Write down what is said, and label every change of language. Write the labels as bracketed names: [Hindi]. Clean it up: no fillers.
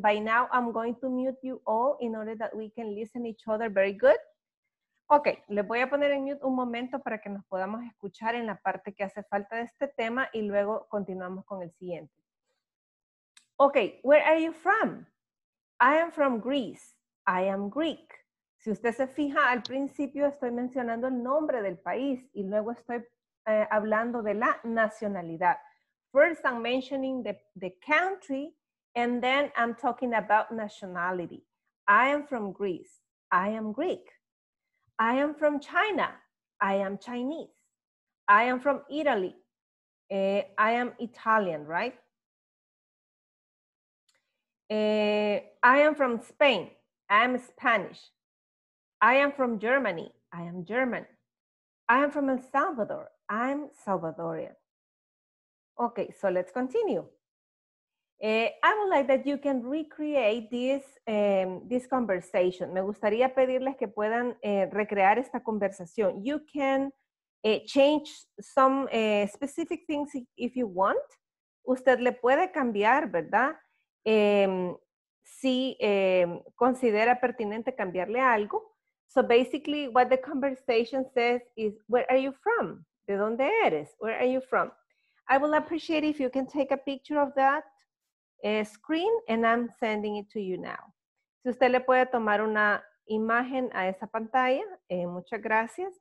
[English] By now, I'm going to mute you all in order that we can listen to each other very good. [Spanish] Okay, les voy a poner en mute un momento para que nos podamos escuchar en la parte que hace falta de este tema y luego continuamos con el siguiente. [English] Okay, where are you from? I am from Greece. I am Greek. [Spanish] Si usted se fija, al principio estoy mencionando el nombre del país y luego estoy hablando de la nacionalidad. [English] First I'm mentioning the country and then I'm talking about nationality. I am from Greece. I am Greek. I am from China. I am Chinese. I am from Italy. I am Italian, right? I am from Spain. I am Spanish. I am from Germany. I am German. I am from El Salvador. I'm Salvadorian. Okay, so let's continue. I would like that you can recreate this this conversation. [Spanish] Me gustaría pedirles que puedan recrear esta conversación. [English] You can change some specific things if you want. [Spanish] Usted le puede cambiar, ¿verdad? Si considera pertinente cambiarle algo. [English] So basically what the conversation says is, where are you from? [Spanish] ¿De dónde eres? [English] Where are you from? I will appreciate if you can take a picture of that screen and I'm sending it to you now. [Spanish] Si usted le puede tomar una imagen a esa pantalla, muchas gracias.